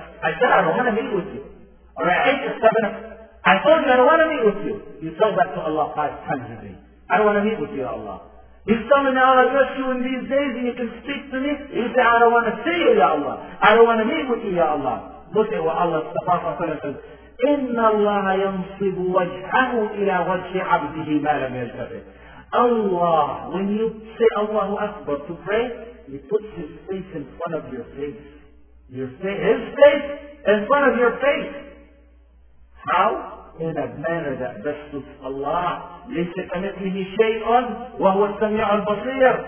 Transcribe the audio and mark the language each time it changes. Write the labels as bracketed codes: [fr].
[en] I said, I don't want to meet with you. All right, 8 or 7 o'clock. I told you, I don't want to meet with you. You tell that to Allah 5 times a day. I don't want to meet with you, Allah. He's telling me, I'll address you in these days and you can speak to me. You say, I don't want to see you, Ya Allah. I don't want to meet with you, Ya Allah. Look at what Allah, the Prophet says, [ar] إِنَّ اللَّهَ يَنْصِبُ وَجْهَهُ إِلَى وَجْهِ عَبْدِهِ مَا لَمْ يَلْتَفِ. [en] Allah, when you say Allahu Akbar to pray, He puts His face in front of your face. His face in front of your face. How? In a manner that best suits Allah. [ar] لَيْسَ كَمِثْلِهِ شَيْءٌ وَهُوَ السَّمِيعُ الْبَصِيرُ.